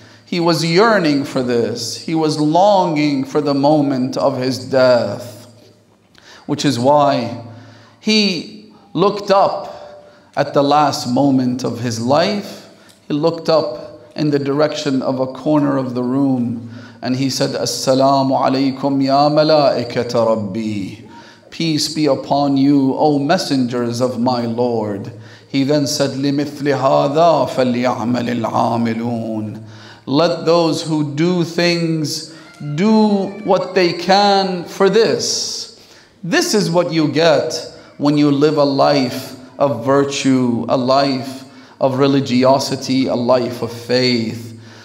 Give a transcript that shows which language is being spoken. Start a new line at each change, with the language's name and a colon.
English: He was yearning for this. He was longing for the moment of his death, which is why he looked up at the last moment of his life. He looked up in the direction of a corner of the room and he said,
Arabic: As-salamu alaykum ya malaikata rabbi.
English: Peace be upon you, O messengers of my Lord. He then said,
Arabic: لِمِثْلِ هَذَا فَلْيَعْمَلِ الْعَامِلُونَ.
English: Let those who do things do what they can for this. This is what you get when you live a life of virtue, a life of religiosity, a life of faith.